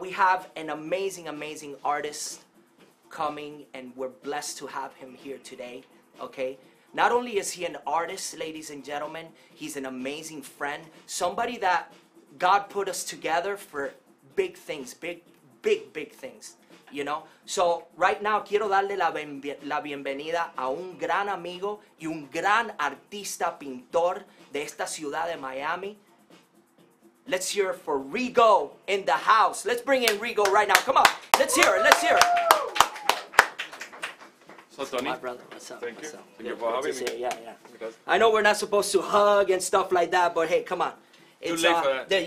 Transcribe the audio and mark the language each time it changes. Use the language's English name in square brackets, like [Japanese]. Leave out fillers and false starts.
[English] We have an amazing, amazing artist coming, and we're blessed to have him here today. Okay? Not only is he an artist, ladies and gentlemen, he's an amazing friend, somebody that God put us together for big things, big, big, big things, you know? So right now, [Spanish] quiero darle la bienvenida a un gran amigo y un gran artista pintor de esta ciudad de Miami. [English] Let's hear it for Rigo in the house. Let's bring in Rigo right now. Come on. Let's hear it. Let's hear it. So, Tony, my brother, what's up? Thank you for having me. Yeah. I know we're not supposed to hug and stuff like that, but hey, come on. It's too late for that.